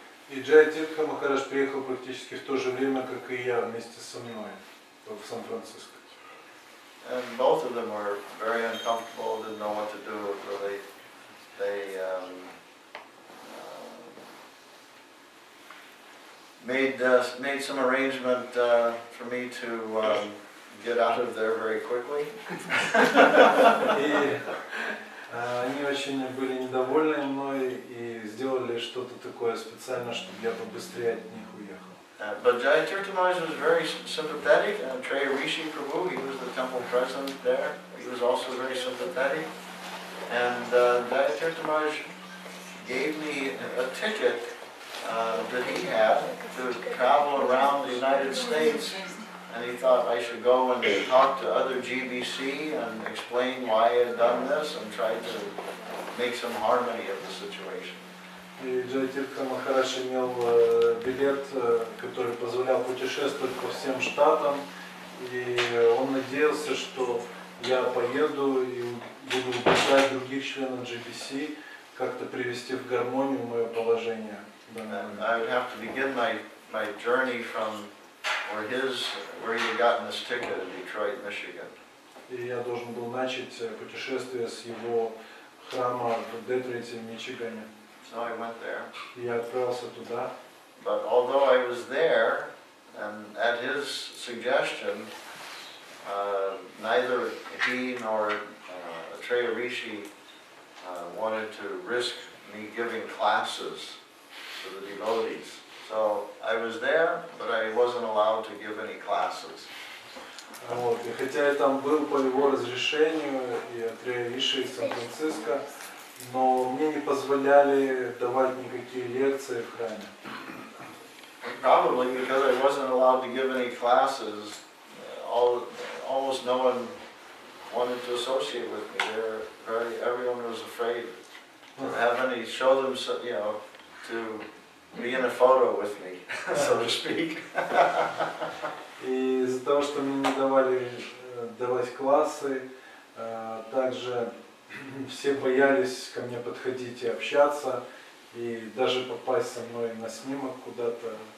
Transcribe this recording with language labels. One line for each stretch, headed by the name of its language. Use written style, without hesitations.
Russian: И Джаятиртха Махарадж приехал практически в то же время, как и я, вместе со мной в Сан-Франциско.
English: And both of them were very uncomfortable, didn't know what to do, really. They made some arrangement for me to get out of there very quickly.
Russian: И они очень были недовольны мной и сделали что-то такое специально, чтобы я побыстрее от них уехал.
English: But Jai Chaitanya was very sympathetic, and Trey Rishi Prabhu, he was the temple president there, he was also very sympathetic. And Jai Chaitanya gave me a ticket that he had to travel around the United States, and he thought I should go and talk to other GBC and explain why I had done this and try to make some harmony of the situation.
Russian: И Джайтирка Махараш имел билет, который позволял путешествовать по всем штатам. И он надеялся, что я поеду и буду убеждать других членов GBC как-то привести в гармонию мое положение.
English: I would have to begin my journey from where his, where he had gotten this ticket in Detroit, Michigan.
Russian: И я должен был начать путешествие с его храма в Детройте, Мичигане.
English: So I went there.
Russian: Я отправился туда.
English: But although I was there, and at his suggestion, neither he nor Atreya Rishi wanted to risk me giving classes to the devotees. So I was there, but I wasn't allowed to give any classes.
Russian: Вот, и хотя я там был по его разрешению, и Атрея Риши из Сан-Франциско, но мне не позволяли давать никакие лекции в храме.
English: Probably because I wasn't allowed to give any classes, almost no one wanted to associate with me. Everyone was afraid to have any show them, you know, to be in a photo with me, so to speak.
Russian: Из-за того, что мне не давали давать классы, также все боялись ко мне подходить и общаться, и даже попасть со мной на снимок куда-то.